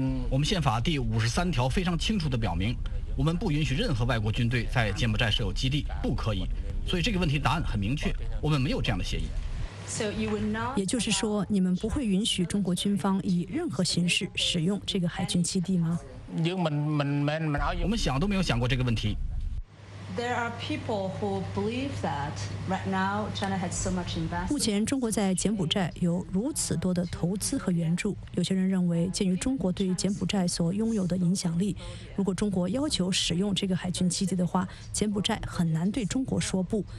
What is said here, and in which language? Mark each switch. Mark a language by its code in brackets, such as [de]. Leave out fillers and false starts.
[zh] 我们宪法第五十三条非常清楚地表明，我们不允许任何外国军队在柬埔寨设有基地，不可以。所以这个问题答案很明确，我们没有这样的协议。也就是说，你们不会允许中国军方以任何形式使用这个海军基地吗？我们想都没有想过这个问题。 [en] There are people who believe that right now China has so much investment. [zh] 目前中国在柬埔寨有如此多的投资和援助，有些人认为，鉴于中国对于柬埔寨所拥有的影响力，如果中国要求使用这个海军基地的话，柬埔寨很难对中国说不。